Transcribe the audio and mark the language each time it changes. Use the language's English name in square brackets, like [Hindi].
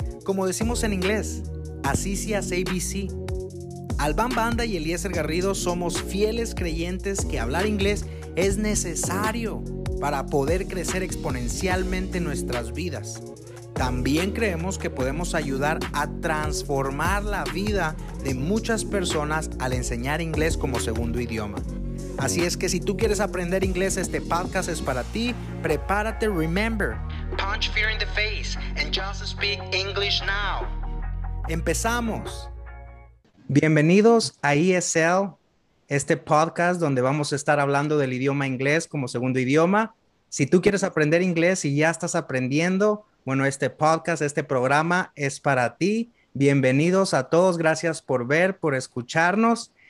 [Spanish] Como decimos en inglés, así se hace ABC. Albán Banda y Eliezer Garrido somos fieles creyentes que hablar inglés es necesario para poder crecer exponencialmente nuestras vidas. También creemos que podemos ayudar a transformar la vida de muchas personas al enseñar inglés como segundo idioma. Así es que si tú quieres aprender inglés, este podcast es para ti. Prepárate, [English] remember. Punch fear in the face and just speak English now. [Spanish] ¡Empezamos! Bienvenidos a ESL, este podcast donde vamos a estar hablando del idioma inglés como segundo idioma. Si tú quieres aprender inglés y ya estás aprendiendo, bueno, este podcast, este programa es para ti. Bienvenidos a todos. Gracias por ver, por escucharnos.